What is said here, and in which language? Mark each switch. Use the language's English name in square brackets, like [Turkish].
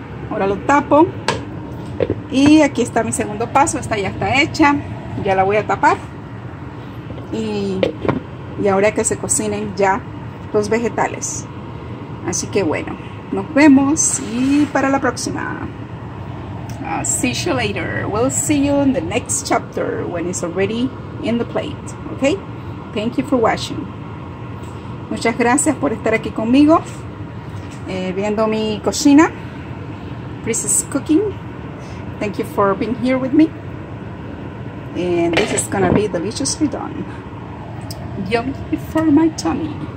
[Spanish] Ahora lo tapo, y aquí está mi segundo paso. Esta ya está hecha, ya la voy a tapar, y ahora que se cocinen ya los vegetales. Así que bueno, nos vemos y para la próxima. [English] See you later. We'll see you in the next chapter when it's already in the plate. Okay? Thank you for watching. [Spanish] Muchas gracias por estar aquí conmigo, viendo mi cocina. [English] This is cooking. Thank you for being here with me. And this is gonna be deliciously done. Yummy for my tummy.